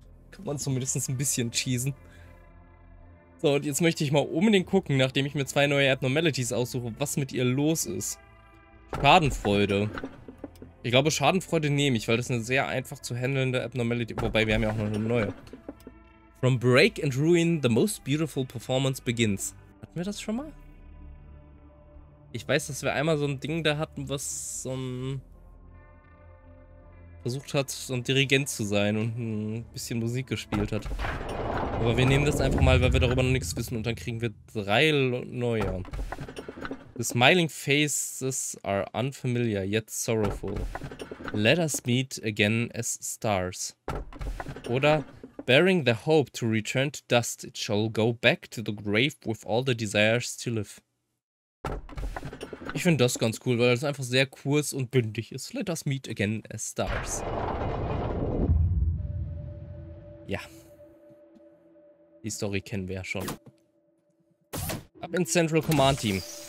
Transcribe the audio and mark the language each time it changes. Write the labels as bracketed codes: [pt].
[de] Kann man zumindest ein bisschen cheesen. So, und jetzt möchte ich mal unbedingt gucken, nachdem ich mir zwei neue Abnormalities aussuche, was mit ihr los ist. Schadenfreude. Ich glaube, Schadenfreude nehme ich, weil das ist eine sehr einfach zu handelnde Abnormality. Wobei, wir haben ja auch noch eine neue. [en] From Break and Ruin, the most beautiful performance begins. [de] Hatten wir das schon mal? Ich weiß, dass wir einmal so ein Ding da hatten, was so ein... versucht hat, so ein Dirigent zu sein und ein bisschen Musik gespielt hat. Aber wir nehmen das einfach mal, weil wir darüber noch nichts wissen, und dann kriegen wir drei neue. [en] The smiling faces are unfamiliar, yet sorrowful. Let us meet again as stars. Oder bearing the hope to return to dust, it shall go back to the grave with all the desires to live. [de] Ich finde das ganz cool, weil das einfach sehr kurz und bündig ist. [en] Let us meet again as stars. [de] Ja. Die Story kennen wir ja schon. Ab ins Central Command Team.